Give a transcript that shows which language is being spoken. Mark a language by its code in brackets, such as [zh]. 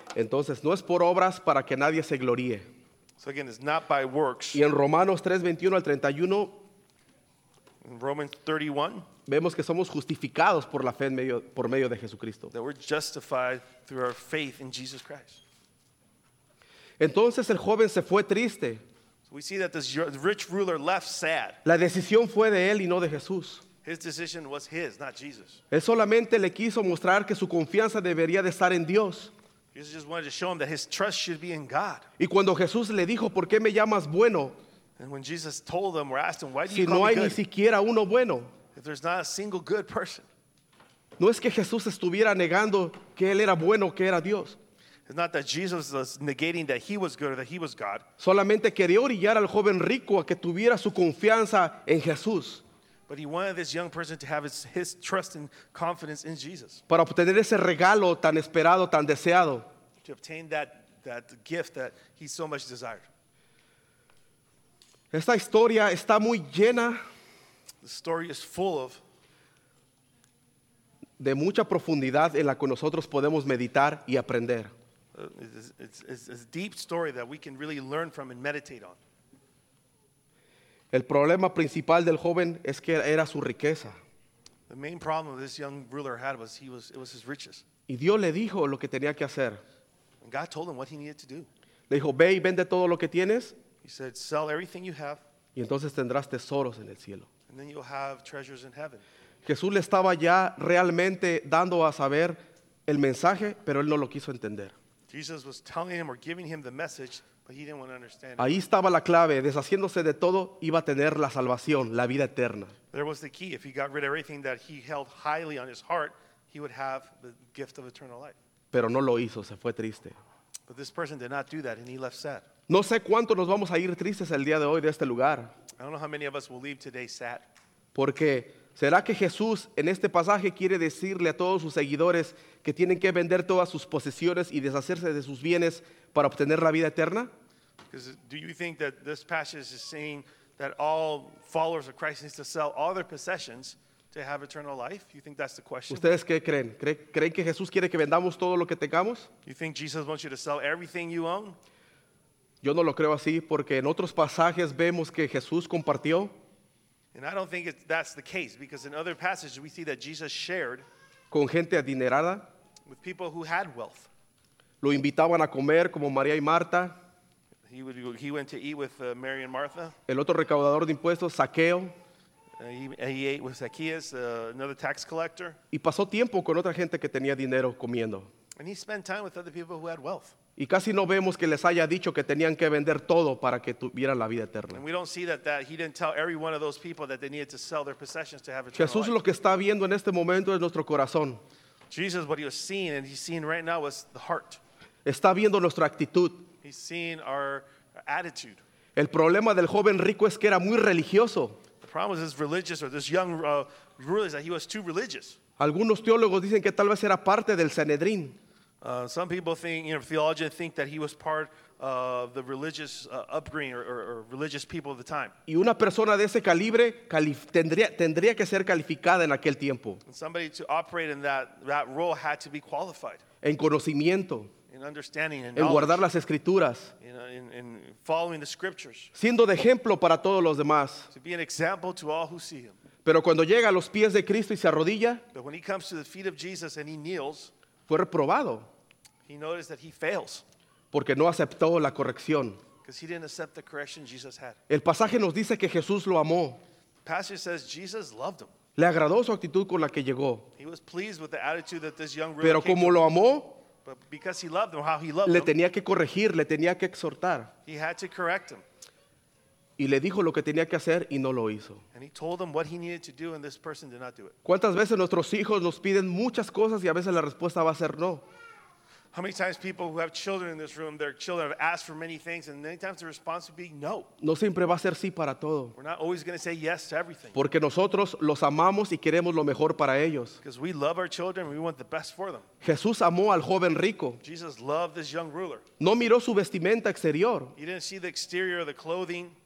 [es] Entonces, no es por obras para que nadie se gloríe. [en] So again, it's not by works. [es] Y en Romanos 3:21-31. [en] In Romans 31. [es] Vemos que somos justificados por la fe en medio, por medio de Jesucristo. [en] That we're justified through our faith in Jesus Christ. [es] Entonces el joven se fue triste. [en] So we see that this rich ruler left sad. [es] La decisión fue de él y no de Jesús. [en] His decision was his, not Jesus. [es] Él solamente le quiso mostrar que su confianza debería de estar en Dios. [en] Jesus just wanted to show him that his trust should be in God. [es] Y cuando Jesús le dijo, ¿por qué me llamas bueno? [en] And when Jesus told them or asked him, why do [es] si [en] you call [es] no hay [en] me good? [es] Ni siquiera uno bueno. [en] If there's not a single good person. [es] No es que Jesús estuviera negando que él era bueno, que era Dios. [en] It's not that Jesus was negating that he was good or that he was God. [es] Solamente quería orillar al joven rico a que tuviera su confianza en Jesús. [en] But he wanted this young person to have his trust and confidence in Jesus. [es] Para obtener ese regalo tan esperado, tan deseado. [en] To obtain that gift that he so much desired. [es] Esta historia está muy llena. [en] The story is full of. [es] De mucha profundidad en la que nosotros podemos meditar y aprender. [en] It's a deep story that we can really learn from and meditate on. [es] El problema principal del joven es que era su riqueza. [en] The main problem this young ruler had was it was his riches. [es] Y Dios le dijo lo que tenía que hacer. [en] And God told him what he needed to do. [es] Le dijo, ve y vende todo lo que tienes. [en] He said, sell everything you have. [es] Y entonces tendrás tesoros en el cielo. [en] And then you'll have treasures in heaven. [es] Jesús le estaba ya realmente dando a saber el mensaje, pero él no lo quiso entender. [en] Jesus was telling him or giving him the message, but he didn't want to understand. [es] Ahí estaba la clave. Deshaciéndose de todo, iba a tener la salvación, la vida eterna. [en] There was the key. If he got rid of everything that he held highly on his heart, he would have the gift of eternal life. [es] Pero no lo hizo. Se fue triste. [en] But this person did not do that, and he left sad. [es] No sé cuánto nos vamos a ir tristes el día de hoy de este lugar. [en] I don't know how many of us will leave today sad. [es] Porque ¿Será que Jesús en este pasaje quiere decirle a todos sus seguidores que tienen que vender todas sus posesiones y deshacerse de sus bienes para obtener la vida eterna? [en] Do you think that this passage is saying that all followers of Christ need to sell all their possessions to have eternal life? You think that's the question? [es] ¿Ustedes qué creen? ¿Creen que Jesús quiere que vendamos todo lo que tengamos? [en] You think Jesus wants you to sell everything you own? [es] Yo no lo creo así porque en otros pasajes vemos que Jesús compartió. [en] And I don't think that's the case because in other passages we see that Jesus shared [es] con gente adinerada, [en] with people who had wealth. [es] Lo invitaban a comer como María y Marta. [en] He went to eat with Mary and Martha. [es] El otro recaudador de impuestos, Zaqueo. [en] He ate with Zacchaeus, another tax collector. [es] Y pasó tiempo con otra gente que tenía dinero comiendo. [en] And he spent time with other people who had wealth. [es] Y casi no vemos que les haya dicho que tenían que vender todo para que tuvieran la vida eterna. [en] And we don't see that he didn't tell every one of those people that they needed to sell their possessions to have eternal life. [es] Jesús lo que está viendo en este momento es nuestro corazón. [en] Jesus, what he was seeing and he's seeing right now was the heart. [es] Está viendo nuestra actitud. [en] He's seeing our attitude. [es] El problema del joven rico es que era muy religioso. [en] The problem was this religious or this young ruler is that he was too religious. [es] Algunos teólogos dicen que tal vez era parte del Sanedrín. [en] Some people think, you know, theologians think that he was part of the religious upbringing or religious people of the time. [es] Y una persona de ese calibre tendría que ser calificada en aquel tiempo. [en] And somebody to operate in that role had to be qualified. [es] En conocimiento. [en] In understanding and [es] en guardar las escrituras. [en] In following the scriptures. [es] Siendo de ejemplo para todos los demás. [en] To be an example to all who see him. [es] Pero cuando llega a los pies de Cristo y se arrodilla, [en] but when he comes to the feet of Jesus and he kneels, [es] fue reprobado. [en] He noticed that he fails. [es] Porque no aceptó la corrección. [en] Because he didn't accept the correction Jesus had. [es] El pasaje nos dice que Jesús lo amó. [en] The passage says Jesus loved him. [es] Le agradó su actitud con la que llegó. [en] He was pleased with the attitude that this young ruler. [es] Pero como lo amó, [en] but because he loved him, how he loved [es] le [en] him, [es] tenía que corregir, le tenía que exhortar. [en] He had to correct him. [es] Y le dijo lo que tenía que hacer y no lo hizo. [en] And he told them what he needed to do and this person did not do it. [es] ¿Cuántas veces nuestros hijos nos piden muchas cosas y a veces la respuesta va a ser no? [en] How many times people who have children in this room, their children have asked for many things and many times the response would be no. [es] No siempre va a ser sí para todo. [en] We're not always going to say yes to everything. [es] Porque nosotros los amamos y queremos lo mejor para ellos. [en] Because we love our children and we want the best for them. [es] Jesús amó al joven rico. [en] Jesus loved this young ruler. [es] No miró su vestimenta exterior. [en] He didn't see the exterior of the clothing.